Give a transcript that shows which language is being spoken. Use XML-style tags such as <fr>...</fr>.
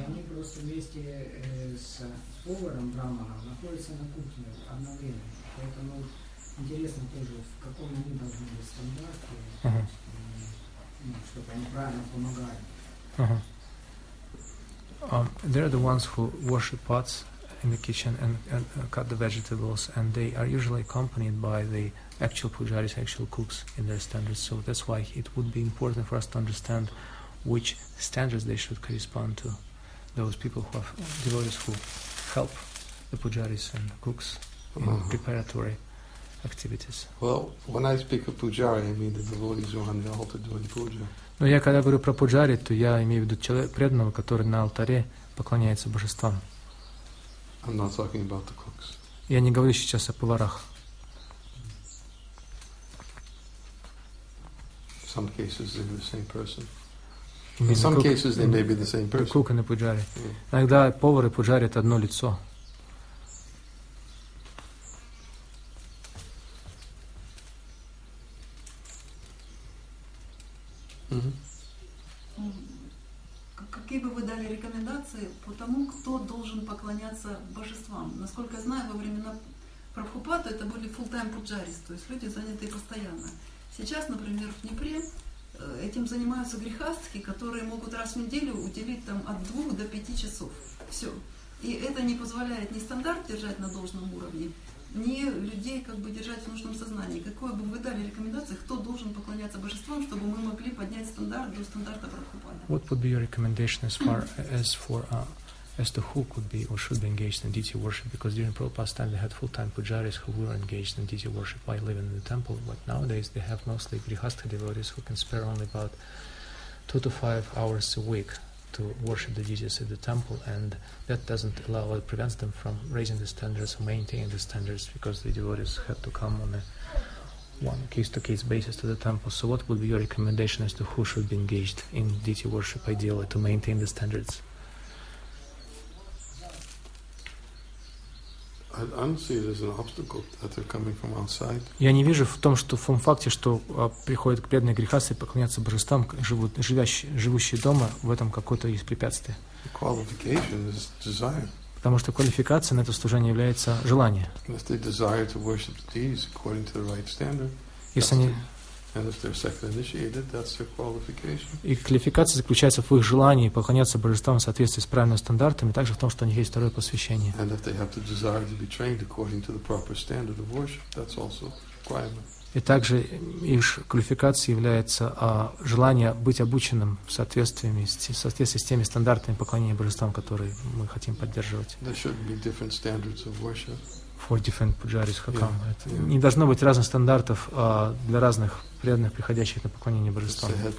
<ru>Они просто вместе с поваром браманом находятся на кухне одновременно. Поэтому интересно тоже, в каком они должны быть стандарте, чтобы они правильно помогали.</ru> <en>They're the ones who worship pots in the kitchen and cut the vegetables, and they are usually accompanied by the actual pujaris, actual cooks in their standards. So that's why it would be important for us to understand which standards they should correspond to, those people who are devotees who help the pujaris and cooks in preparatory activities. Well, when I speak of pujari, I mean the devotees who are on the altar doing puja.</en> <ru>Но я когда говорю про пуджари, то я имею в виду человека преданного, который на алтаре поклоняется божествам.</ru> <en>I'm not talking about the cooks.</en> <ru>Я не говорю сейчас о поварах.</ru> <en>In some cases they're the same person. In some cases they may be the same person.</en> <ru>Кук и пуджари.</ru> <en>Yeah.</en> <ru>Иногда повар и пуджари это одно лицо. Какие бы вы дали рекомендации по тому, кто должен поклоняться божествам? Насколько я знаю, во времена Прабхупады это были full-time пуджарис, то есть люди, занятые постоянно. Сейчас, например, в Днепре этим занимаются грехастхи, которые могут раз в неделю уделить там от 2 до 5 часов. Все. И это не позволяет ни стандарт держать на должном уровне, ни людей как бы держать в нужном сознании. Какое бы вы дали рекомендации, кто должен поклоняться божествам, чтобы мы могли поднять стандарт до стандарта Прабхупады?</ru> <en>What would be your recommendation as far as for as to who could be or should be engaged in deity worship? Because during Prabhupada's time they had full-time pujaris who were engaged in deity worship while living in the temple, but nowadays they have mostly grihastha devotees who can spare only about 2 to 5 hours a week to worship the deities at the temple, and that doesn't allow or prevents them from raising the standards or maintaining the standards because the devotees have to come on a one case-to-case basis to the temple. So what would be your recommendation as to who should be engaged in deity worship ideally to maintain the standards? I don't see it as an obstacle that they're coming from outside.</en> <ru>Я не вижу в том, что в том факте, что приходят к преданным грехастхи и поклоняться божествам, живущие дома, в этом какое-то есть препятствие.</ru> <en>The qualification is desire.</en> <ru>Потому что квалификация на это служение является желание.</ru> <en>If they desire to worship the deities according to the right standard, and if they're second initiated, that's their qualification.</en> <ru>И квалификация заключается в их желании поклоняться божествам в соответствии с правильными стандартами, также в том, что у них есть второе посвящение.</ru> <en>And if they have the desire to be trained according to the proper standard of worship, that's also requirement.</en> <ru>И также их квалификацией является желание быть обученным в соответствии с теми стандартами поклонения божествам, которые мы хотим поддерживать.</ru> <en>There should be different standards of worship. For different pujaris hakam. Yeah, yeah.</en> <ru>Не должно быть разных стандартов для разных преданных, приходящих на поклонение божествам.</ru>